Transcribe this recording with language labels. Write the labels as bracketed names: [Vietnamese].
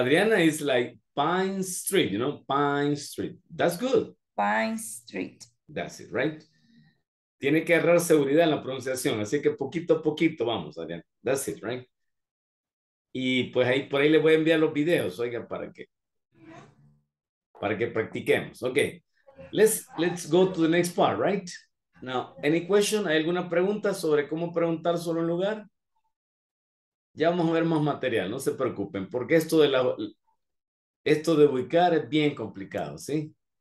[English] Adriana is like Pine Street, you know, Pine Street. That's good. Pine Street. That's it, right? [Spanish] Tiene que agarrar seguridad en la pronunciación, así que poquito a poquito vamos, Adriana. [English] That's it, right? [Spanish] Y pues ahí por ahí les voy a enviar los videos, oiga, para que practiquemos. [English] Ok, let's go to the next part, right? Now, any question? [Spanish] ¿Hay alguna pregunta sobre cómo preguntar sobre un lugar? Ya vamos a ver más material, no se preocupen, porque esto de ubicar es bien complicado, ¿sí?